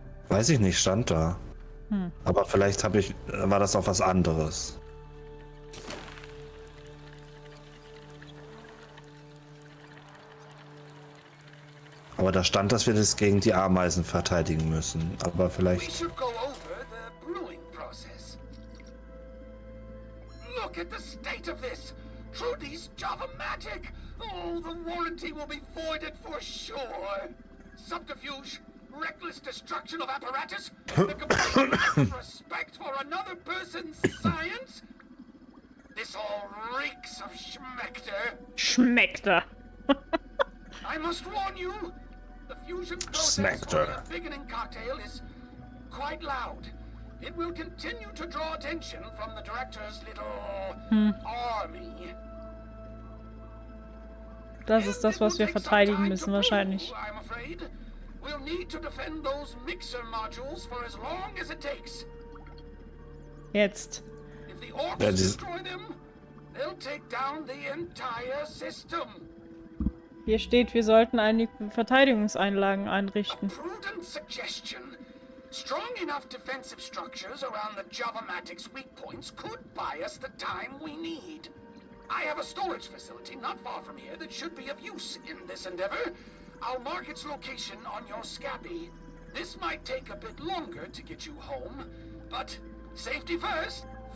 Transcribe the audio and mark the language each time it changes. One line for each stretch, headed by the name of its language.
German: Weiß ich nicht, stand da. Hm. Aber vielleicht war das auch was anderes. Aber da stand, dass wir das gegen die Ameisen verteidigen müssen. Aber vielleicht.
English: We should go over the brewing process. Look at the state of this! Trudy's Java-matic! Oh, the warranty will be voided for sure! Subterfuge, reckless destruction of apparatus, the complete respect for another person's science! This all reeks of Schmeckter! Schmeckter! I must warn you! Smacked the thickening cocktail is quite loud. It will continue to draw attention from the director's little army.
German: Das ist das, was wir verteidigen müssen, wahrscheinlich.
English: I'm afraid we'll need to defend those mixer modules for as long as it takes.
German: Jetzt.
English: If the orcs destroy them, they'll take down the entire system.
German: Hier steht, wir sollten einige Verteidigungseinlagen einrichten.
English: A prudent suggestion. Strong enough defensive structures around the Java-matic's weak points could buy us the time we need. I have a storage facility not far from here that should be of use in this endeavor. I'll mark its location on your scabby. This might take a bit longer to get you home, but safety first.